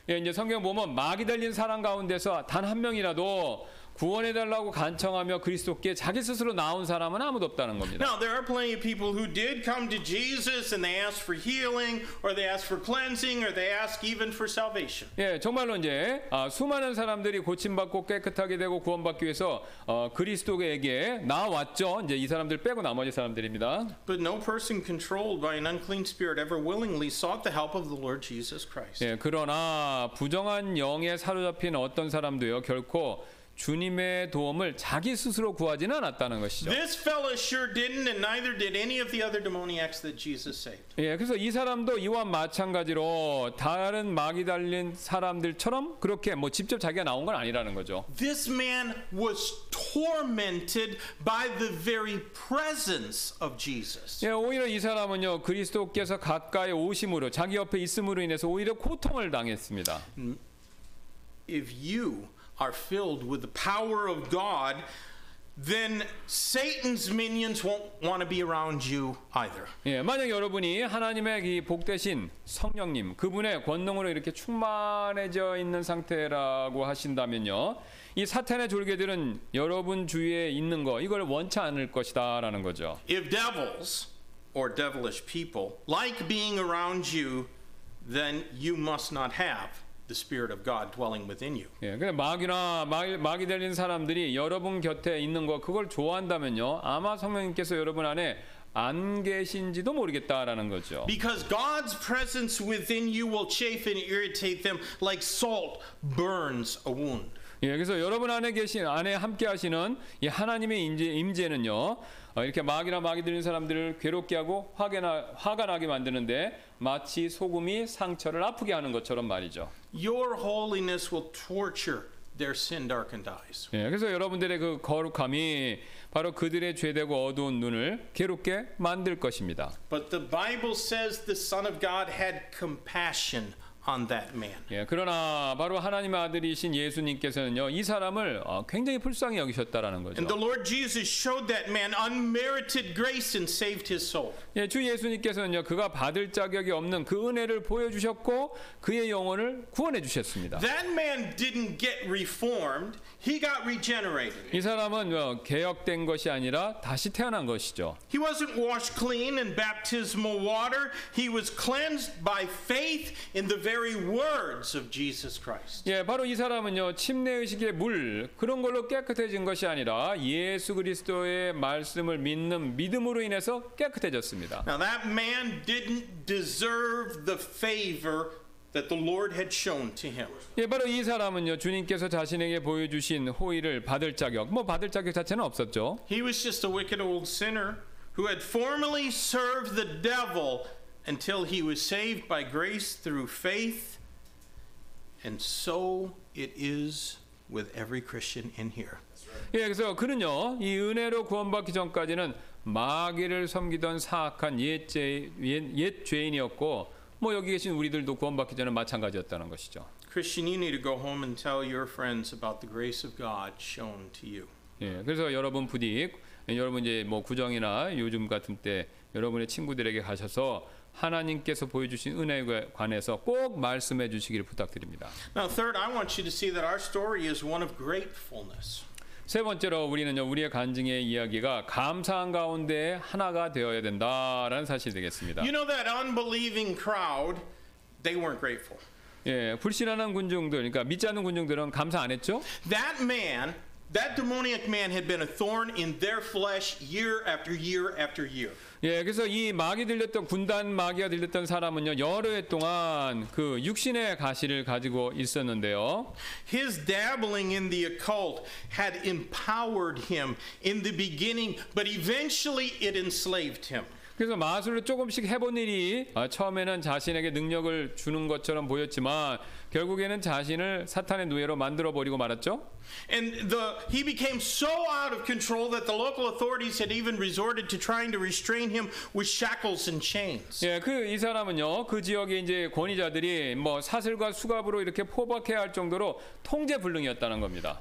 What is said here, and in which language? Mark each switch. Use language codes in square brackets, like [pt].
[ko] 예, 이제 성경 보면 마귀 달린 사람 가운데서 단 한 명이라도 구원해 달라고 간청하며 그리스도께 자기 스스로 나온 사람은 아무도 없다는 겁니다. [en] Now there are plenty of people who did come to Jesus and they asked for healing or they asked for cleansing or they asked even for salvation. [ko] 예, 정말로 이제 수많은 사람들이 고침 받고 깨끗하게 되고 구원받기 위해서 그리스도에게 나왔죠. 이제 이 사람들 빼고 나머지 사람들입니다. [en] But no person controlled by an unclean spirit ever willingly sought the help of the Lord Jesus Christ. [ko] 예, 그러나 부정한 영에 사로잡힌 어떤 사람도요. 결코 주님의 도움을 자기 스스로 구하지는 않았다는 것이죠. [en] This fellow sure didn't and neither did any of the other demoniacs that Jesus saved. [ko] 예, 그래서 이 사람도 이와 마찬가지로 다른 마귀 달린 사람들처럼 그렇게 뭐 직접 자기가 나온 건 아니라는 거죠. [en] This man was tormented by the very presence of Jesus. [ko] 예, 오히려 이 사람은요. 그리스도께서 가까이 오심으로 자기 옆에 있음으로 인해서 오히려 고통을 당했습니다. [en] If you are filled with the power of God, then Satan's minions won't want to be around you either. [ko] 예, 만약 여러분이 하나님의 이 복되신 성령님, 그분의 권능으로 이렇게 충만해져 있는 상태라고 하신다면요. 이 사탄의 졸개들은 여러분 주위에 있는 거 이걸 원치 않을 것이다라는 거죠. [en] If devils or devilish people like being around you, then you must not have the spirit of God dwelling within you. [ko] 예, 근데 마귀나 마귀 들린 사람들이 여러분 곁에 있는 거 그걸 좋아한다면요. 아마 성령님께서 여러분 안에 안 계신지도 모르겠다라는 거죠. [en] Because God's presence within you will chafe and irritate them like salt burns a wound. [ko] 예, 그래서 여러분 안에 계신 안에 함께 하시는 이 하나님의 임재는요. 이렇게 마귀나 마귀 들린 사람들을 괴롭게 하고 화가 나게 만드는데 마치 소금이 상처를 아프게 하는 것처럼 말이죠. [en] Your holiness will torture their sin darkened eyes. [ko] 예, 그래서 여러분들의 그 거룩함이 바로 그들의 죄되고 어두운 눈을 괴롭게 만들 것입니다. [en] But the Bible says the Son of God had compassion on that man. [ko] 예, 그러나 바로 하나님의 아들이신 예수님께서는요, 이 사람을 굉장히 불쌍히 여기셨다라는 거죠. [en] And the Lord Jesus showed that man unmerited grace and saved his soul. [ko] 예, 주 예수님께서는요, 그가 받을 자격이 없는 그 은혜를 보여주셨고 그의 영혼을 구원해 주셨습니다. [en] That man didn't get reformed. He got regenerated. [ko] 이 사람은 개혁된 것이 아니라 다시 태어난 것이죠. [en] He wasn't washed clean in baptismal water. He was cleansed by faith in the very words of Jesus Christ. [ko] 예, 바로 이 사람은요, 침례 의식의 물 그런 걸로 깨끗해진 것이 아니라 예수 그리스도의 말씀을 믿는 믿음으로 인해서 깨끗해졌습니다. [en] Now that man didn't deserve the favor that the Lord had shown to him. [ko] 예, 바로 이 사람은요, 주님께서 자신에게 보여주신 호의를 받을 자격, 뭐 받을 자격 자체는 없었죠. [en] He was just a wicked old sinner who had formerly served the devil until he was saved by grace through faith. And so it is with every Christian in here. [ko] 예, 그래서 그는요, 이 은혜로 구원받기 전까지는 마귀를 섬기던 사악한 옛 죄인이었고 뭐 여기 계신 우리들도 구원받기 전에 마찬가지였다는 것이죠. [en] Christian, you need to go home and tell your friends about the grace of God shown to you. [ko] 예, 그래서 여러분 부디 여러분 이제 뭐 구정이나 요즘 같은 때 여러분의 친구들에게 가셔서 하나님께서 보여주신 은혜에 관해서 꼭 말씀해 주시기를 부탁드립니다. [en] Now, third, I want you to see that our story is one of gratefulness. [ko] 세 번째로 우리는요, 우리의 간증의 이야기가 감사한 가운데 하나가 되어야 된다라는 사실이 되겠습니다. [en] You know that unbelieving crowd, they weren't grateful. [ko] 예, 불신하는 군중들, 그러니까 믿지 않는 군중들은 감사 안 했죠? [en] That man, that demoniac man had been a thorn in their flesh year after year after year. [ko] 예, 그래서 이 마귀 들렸던 군단 마귀가 들렸던 사람은요, 여러 해 동안 그 육신의 가시를 가지고 있었는데요. [en] His dabbling in the occult had empowered him in the beginning, but eventually it enslaved him. [ko] 그래서 마술을 조금씩 해본 일이 처음에는 자신에게 능력을 주는 것처럼 보였지만 결국에는 자신을 사탄의 노예로 만들어 버리고 말았죠. [en] And he became so out of control that the local authorities had even resorted to trying to restrain him with shackles and chains. [ko] 예, 그 이 사람은요, 그 지역의 이제 권위자들이 뭐 사슬과 수갑으로 이렇게 포박해야 할 정도로 통제 불능이었다는 겁니다.